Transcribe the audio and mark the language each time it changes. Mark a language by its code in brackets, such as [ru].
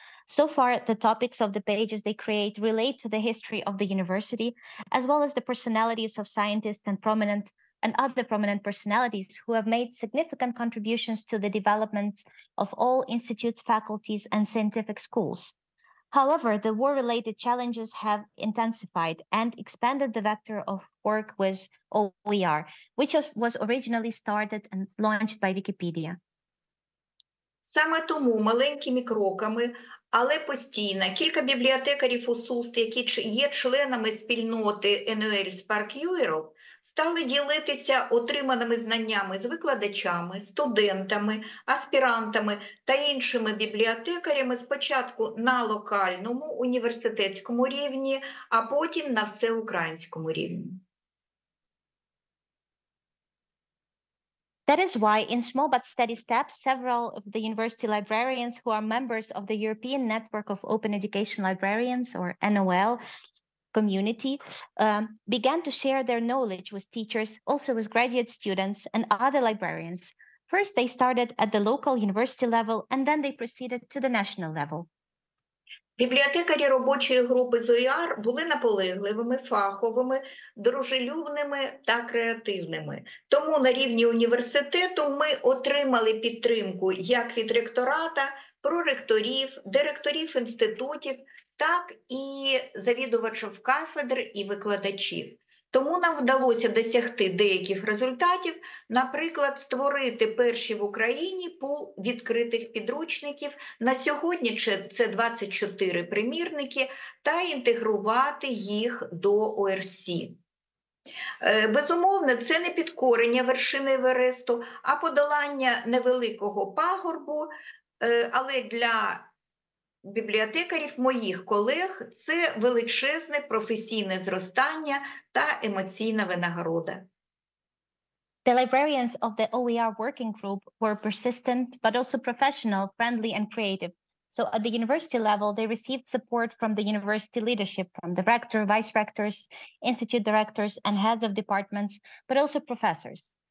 [en] So far, the topics of the pages they create relate to the history of the university, as well as the personalities of scientists and other prominent personalities who have made significant contributions to the development of all institutes, faculties, and scientific schools. However, the war-related challenges have intensified and expanded the vector of work with OER, which was originally started and launched by Wikipedia. [uk] Саме тому маленькими кроками, але постійно, кілька бібліотекарів УСУСТ, які є членами спільноти NUL Spark Europe, стали ділитися отриманими знаннями з викладачами, студентами, аспірантами та іншими бібліотекарями спочатку на локальному університетському рівні, а потім на всеукраїнському рівні. [en] That is why, in small but steady steps, several of the university librarians who are members of the European Network of Open Education Librarians, or NOL, community, began to share their knowledge with teachers, also with graduate students and other librarians. First, they started at the local university level, and then they proceeded to the national level. [uk] Бібліотекарі робочої групи з ОІАР були наполегливими, фаховими, дружелюбними та креативними. Тому на рівні університету ми отримали підтримку як від ректората, проректорів, директорів інститутів, так і завідувачів кафедр і викладачів. Тому нам вдалося досягти деяких результатів, наприклад, створити перші в Україні пул відкритих підручників. На сьогодні це 24 примірники, та інтегрувати їх до ОРСІ. Безумовно, це не підкорення вершини Евересту, а подолання невеликого пагорбу, але для бібліотекарів, моїх колег, це величезне професійне зростання та емоційна винагорода. [en] The librarians of the OER working group were persistent, but also professional, friendly and creative. So at the university level, they received support from the university leadership, from the rector, vice rectors, institute directors and heads of departments, but also professors.